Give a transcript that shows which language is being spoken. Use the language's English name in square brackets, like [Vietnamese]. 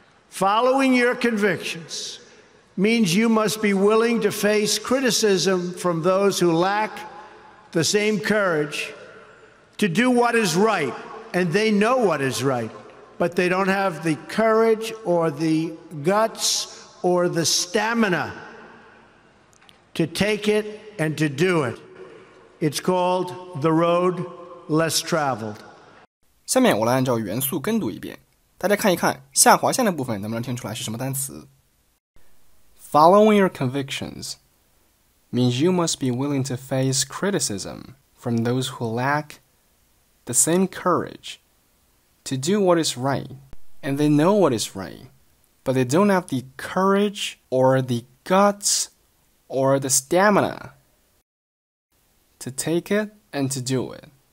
[English] Following your convictions means you must be willing to face criticism from those who lack the same courage to do what is right, and they know what is right, but they don't have the courage or the guts or the stamina to take it and to do it. It's called the road less traveled. [Chinese] 下面我来按照原速跟读一遍，大家看一看下划线的部分能不能听出来是什么单词。 [English] Following your convictions means you must be willing to face criticism from those who lack the same courage to do what is right, and they know what is right, but they don't have the courage or the guts or the stamina to take it and to do it.